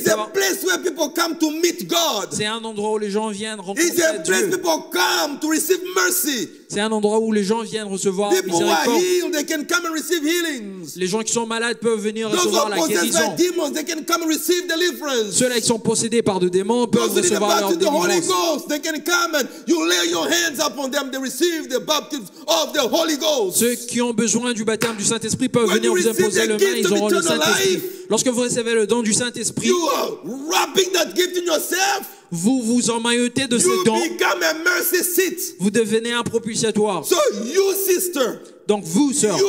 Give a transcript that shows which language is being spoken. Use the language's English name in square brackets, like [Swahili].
[English] It's a place where people come to meet God. [French] C'est un endroit où les gens viennent rencontrer [English] It's a place [French] Dieu. [English] People come to receive mercy. [French] C'est un endroit où les gens viennent recevoir la guérison. Les gens qui sont malades peuvent venir [English] Those [French] recevoir la guérison. [English] Demons, they can come receive deliverance. [French] Ceux-là qui sont possédés par des démons peuvent [English] Those [French] recevoir leur délivrance. [English] The Holy Ghost, they can come and you lay your hands upon them, they receive the baptism of the Holy Ghost. [French] Ceux qui ont besoin du baptême du Saint-Esprit peuvent [English] When [French] venir vous imposer les mains, ils auront le Saint-Esprit. [English] Life, [French] Lorsque vous recevez le don du Saint-Esprit, [English] you are wrapping that gift in yourself. [French] Vous vous emmaillotez de ces dons. [English] Become a mercy seat. [French] Vous devenez un propulsatoire. [English] So you sister, [French] donc vous sœur,